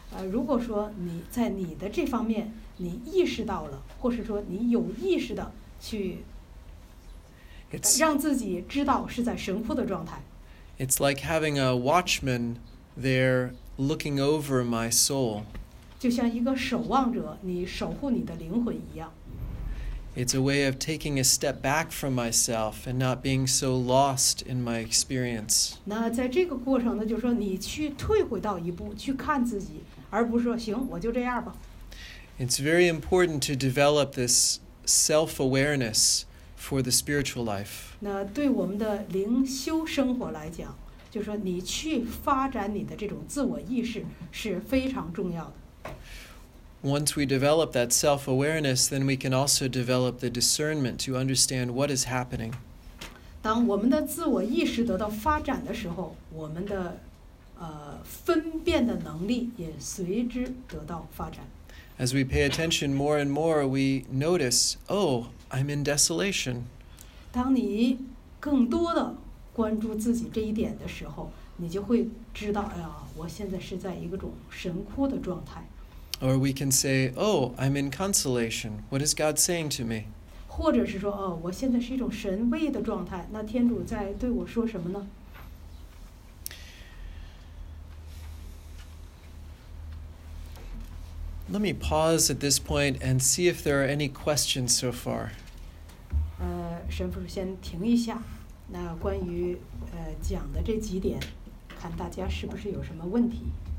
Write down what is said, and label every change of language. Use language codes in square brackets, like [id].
[zh] 如果说你在你的这方面你意识到了，或是说你有意识的去让自己知道是在神窟的状态。 [en] It's like having a watchman there looking over my soul. [zh] 就像一个守望者，你守护你的灵魂一样。 [en] It's a way of taking a step back from myself and not being so lost in my experience. [zh] 那在这个过程呢，就是说你去退回到一步，去看自己，而不是说行，我就这样吧。 [en] It's very important to develop this self-awareness for the spiritual life. [zh] 那对我们的灵修生活来讲，就是说你去发展你的这种自我意识是非常重要的。 [en] Once we develop that self-awareness, then we can also develop the discernment to understand what is happening. [zh] 当我们的自我意识得到发展的时候，我们的分辨的能力也随之得到发展。 [en] As we pay attention more and more, we notice, oh, I'm in desolation. [zh] 当你更多的关注自己这一点的时候，你就会知道，哎呀，我现在是在一个种神窟的状态。 [en] Or we can say, oh, I'm in consolation. What is God saying to me? [zh] 或者是说，哦，我现在是一种神位的状态，那天主在对我说什么呢？ [en] Let me pause at this point and see if there are any questions so far. [zh] 神父先停一下，那关于讲的这几点，看大家是不是有什么问题。